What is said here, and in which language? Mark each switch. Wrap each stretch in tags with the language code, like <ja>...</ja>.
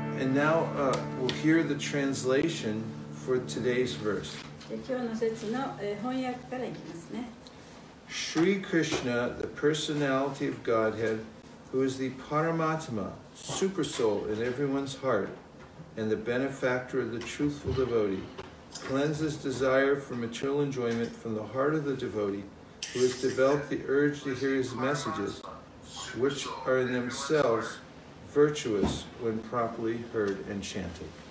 <en>And now we'll hear the translation for today's verse.</en> <ja>今日の説の翻訳からいきますね。</ja> <en>Shri Krishna, the personality of Godhead, who is the Paramatma, super soul in everyone's heart, and the benefactor of the truthful devotee. Cleanses desire for material enjoyment from the heart of the devotee who has developed the urge to hear his messages, which are in themselves virtuous when properly heard and chanted.</en>